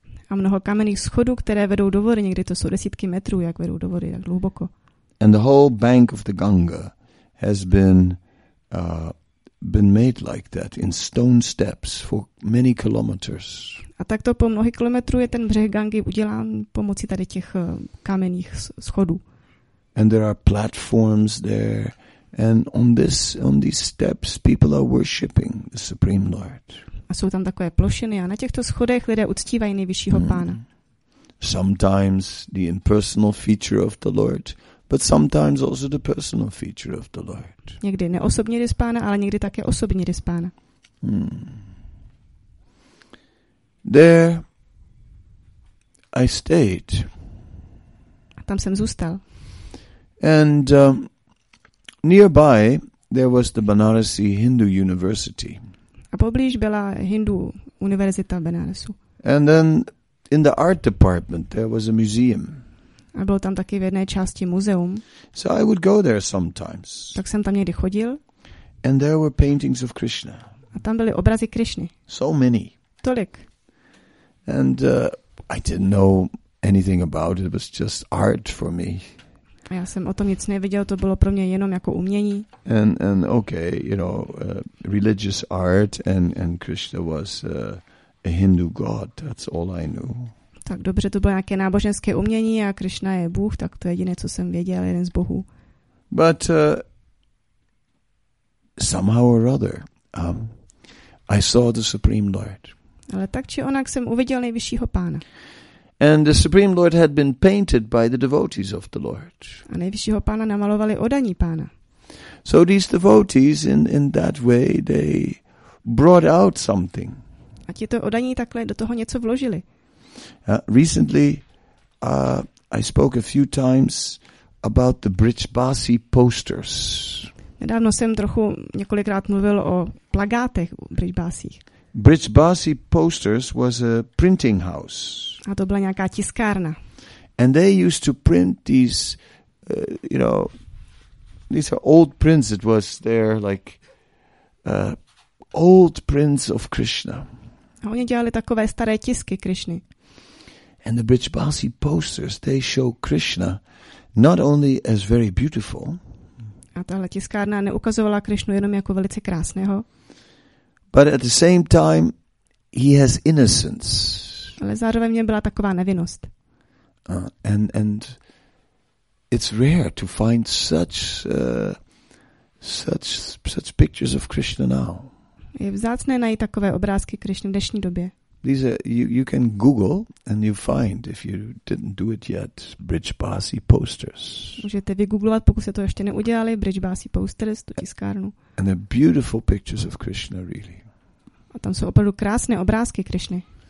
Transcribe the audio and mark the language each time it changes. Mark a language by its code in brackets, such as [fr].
[cs] A mnoho kamenných schodů, které vedou do vody, někdy to jsou desítky metrů, jak vedou do vody, jak hluboko. [en] And the whole bank of the Ganga has been made like that in stone steps for many kilometers. [cs] A takto po mnoho kilometrů je ten břeh Gangy udělán pomocí tady těch kamenných schodů. [en] And there are platforms there. And on these steps, people are worshiping the Supreme Lord. [cs] A jsou tam takové plošiny a na těchto schodech lidé uctívají nejvyššího pána. [en] Sometimes the impersonal feature of the Lord, but sometimes also the personal feature of the Lord. [cs] Někdy neosobní rys pána, ale někdy také osobní rys pána. [en] There I stayed. [cs] A tam jsem zůstal. [en] And nearby there was the Banarasi Hindu University. [cs] A poblíž byla Hindu univerzita Benaresu. [en] And then in the art department there was a museum. [cs] A bylo tam taky v jedné části muzeum. [en] So I would go there sometimes. [cs] Tak jsem tam někdy chodil. [en] And there were paintings of Krishna. [cs] A tam byly obrazy Krišny. [en] So many. [cs] Tolik. [en] And I didn't know anything about it. It was just art for me. [cs] Já jsem o tom nic nevěděl, to bylo pro mě jenom jako umění. [en] And okay, you know, religious art and Krishna was a Hindu god. That's all I knew. [cs] Tak dobře, to bylo nějaké náboženské umění a Krishna je Bůh, tak to je jediné, co jsem věděl, jeden z bohů. [en] But somehow or other, I saw the Supreme Lord. [cs] Ale tak či onak jsem uviděl nejvyššího pána. [en] And the Supreme Lord had been painted by the devotees of the Lord. [cs] A nejvyššího pána namalovali odaní pána. [en] So these devotees in that way they brought out something. [cs] A tito odaní takhle do toho něco vložili. [en] Recently I spoke a few times about the Brijbasi posters. [cs] Nedávno jsem trochu několikrát mluvil o plakátech Brijbasích. [en] Brijbasi posters was a printing house. [cs] A to byla nějaká tiskárna. [en] And they used to print these, you know, these are old prints. It was their like old prints of Krishna. [cs] A oni dělali takové staré tisky Krishny. [en] And the Brijbasi posters, they show Krishna not only as very beautiful. [cs] A tahle tiskárna neukazovala Krishnu jenom jako velice krásného. [en] But at the same time, he has innocence. [cs] Ale zároveň mě byla taková nevinnost. [en] And it's rare to find such pictures of Krishna now. [cs] Je vzácné najít takové obrázky Krishny v dnešní době. [en] These are, you can Google and you find if you didn't do it yet Brijbasi posters. [cs] Můžete vygooglovat, pokud se to ještě neudělali, Brijbasi posters, tu tiskárnu. [en] And they're beautiful pictures of Krishna really. [cs] A tam jsou opravdu krásné obrázky Krishny.